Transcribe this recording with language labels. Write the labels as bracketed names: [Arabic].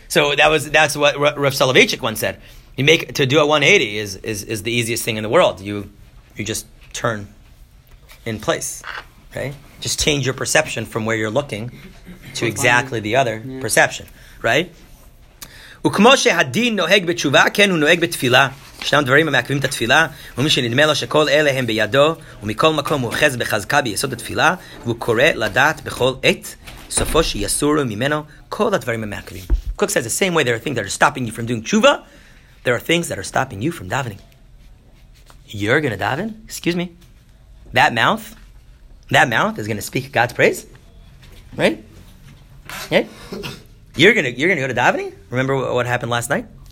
[English] So that's what Rav Soloveitchik once said. To do a 180 is the easiest thing in the world. You just turn in place, okay? Just change your perception from where you're looking to exactly the other perception, right? [Hebrew] וכמו שהדין נוהג בתשובה, כן הוא נוהג בתפילה. ישנם דברים המעכבים את התפילה, ומי שנדמה לו שכל אלה הם בידו, ומכל מקום הוא אוחז בחזקה ביסוד התפילה, והוא קורא לדעת בכל עת, סופו שיסורו ממנו כל הדברים המעכבים. [English] Cook says the same way there are things that are stopping you from doing tshuva, there are things that are stopping you from davening. You're going to daven? Excuse me. That mouth is going to speak God's praise? Right? Yeah? You're going to go to davening? Remember what happened last night?